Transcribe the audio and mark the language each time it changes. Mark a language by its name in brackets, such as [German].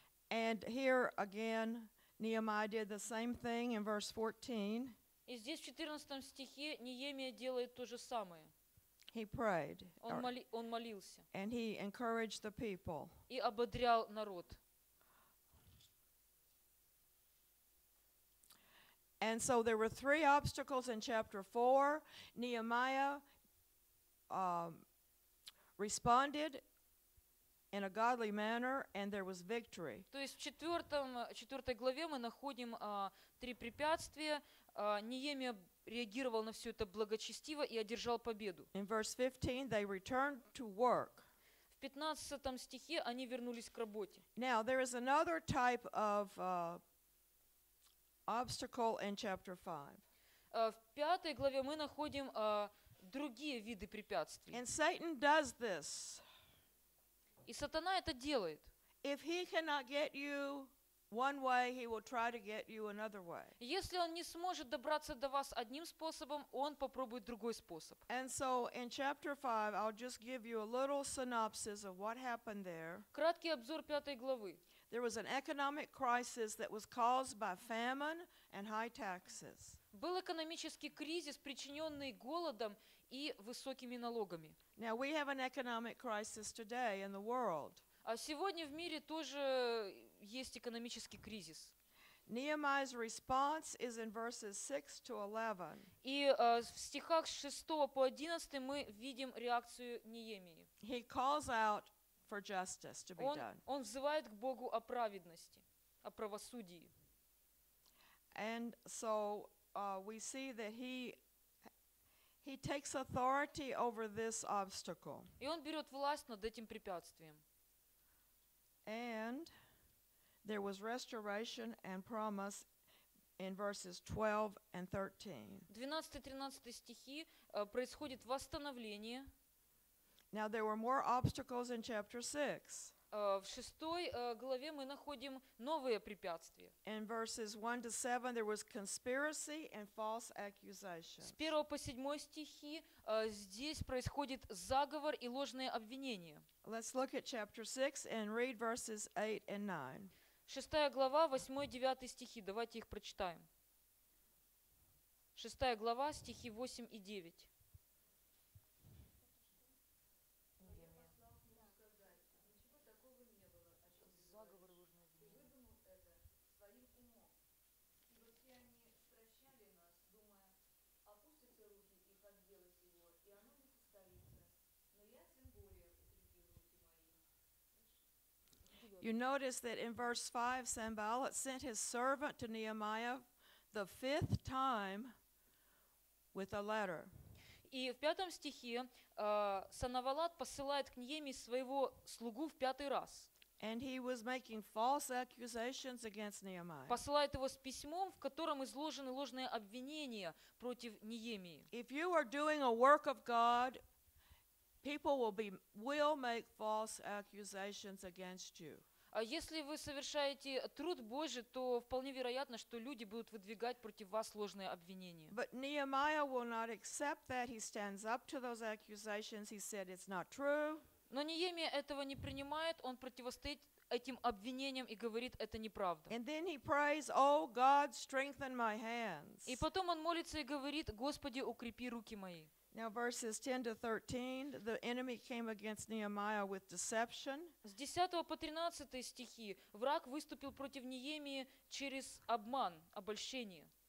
[English] And here again, Nehemiah did the same thing in verse 14. [Russian] И здесь в 14 стихе Неемия делает то же самое. [English] He prayed. [Russian] Он молился. [English] And he encouraged the people. [Russian] И ободрял народ. [English] And so there were three obstacles in chapter 4. Nehemiah responded in a godly manner, and there was victory. [Russian] То есть в четвертой главе мы находим три препятствия. Неемия реагировал на все это благочестиво и одержал победу. [English] In verse 15, they returned to work. [Russian] В 15 стихе они вернулись к работе. [English] Now, there is another type of obstacle in chapter 5. [Russian] В пятой главе мы находим другие виды препятствий. [English] And Satan does this. [Russian] И сатана это делает. [English] If he cannot get you one way, he will try to get you another way. [Russian] Если он не сможет добраться до вас одним способом, он попробует другой способ. [English] And so in chapter 5, I'll just give you a little synopsis of what happened there. [Russian] Краткий обзор пятой главы. [English] There was an economic crisis that was caused by famine and high taxes. [Russian] Был экономический кризис, причиненный голодом и высокими налогами. [English] Now we have an economic crisis today in the world. [Russian] А сегодня в мире тоже есть экономический кризис. [English] Nehemiah's response is in verses 6 to 11. [Russian] И в стихах с 6 по 11 мы видим реакцию Неемии. [English] He calls out for justice to be done. [Russian] Он взывает к Богу о праведности, о правосудии. [English] And so we see that he takes authority over this obstacle. [Russian] И он берет власть над этим препятствием. [English] And there was restoration and promise in verses 12 and 13. [Russian] 12-13 стихи происходит восстановление. [English] Now there were more obstacles in chapter 6. [Russian] В шестой главе мы находим новые препятствия. [English] In verses 1 to 7 there was conspiracy and false accusations. [Russian] С 1 по 7 стихи здесь происходит заговор и ложные обвинения. [English] Let's look at chapter 6 and read verses 8 and 9. [Russian] Шестая глава, 8-9 стихи. Давайте их прочитаем. Шестая глава, стихи 8 и 9. [English] You notice that in verse 5, Sanballat sent his servant to Nehemiah the fifth time with a letter. [Russian] И в пятом стихе Санавалат посылает к Неемии своего слугу в пятый раз. [English] And he was making false accusations against Nehemiah. [Russian] Посылает его с письмом, в котором изложены ложные обвинения против Неемии. [English] If you are doing a work of God, people will make false accusations against you. [Russian] А если вы совершаете труд Божий, то вполне вероятно, что люди будут выдвигать против вас ложные обвинения. [English] But Nehemiah will not accept that. He stands up to those accusations. He said it's not true. [Russian] Но Неемия этого не принимает. Он противостоит этим обвинениям и говорит, это неправда. [English] And then he prays, "O God, strengthen my hands." [Russian] И потом он молится и говорит, Господи, укрепи руки мои. [English] Now verses 10 to 13, the enemy came against Nehemiah with deception. [Russian] С 10 по 13 стихи враг выступил против Неемии через обман, обольщение.